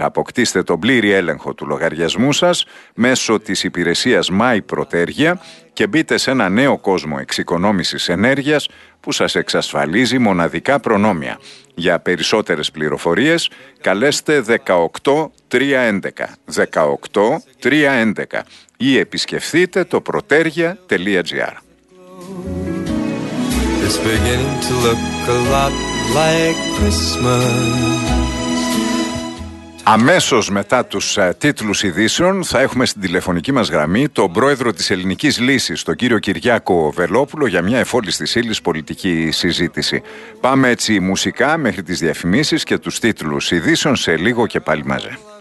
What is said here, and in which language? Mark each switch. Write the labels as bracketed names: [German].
[Greek] Αποκτήστε τον πλήρη έλεγχο του λογαριασμού σας μέσω της υπηρεσίας My Πρωτέργεια και μπείτε σε ένα νέο κόσμο εξοικονόμησης ενέργειας που σας εξασφαλίζει μοναδικά προνόμια. Για περισσότερες πληροφορίες καλέστε 18 311 18 311 ή επισκεφτείτε το protergia.gr. [English] It's beginning to look a lot like Christmas. [Greek] Αμέσως μετά τους τίτλους ειδήσεων θα έχουμε στην τηλεφωνική μας γραμμή τον πρόεδρο της Ελληνικής Λύσης, τον κύριο Κυριάκο Βελόπουλο, για μια εφόλιστη ύλης πολιτική συζήτηση. Πάμε έτσι μουσικά μέχρι τις διαφημίσεις και τους τίτλους ειδήσεων σε λίγο και πάλι μαζί.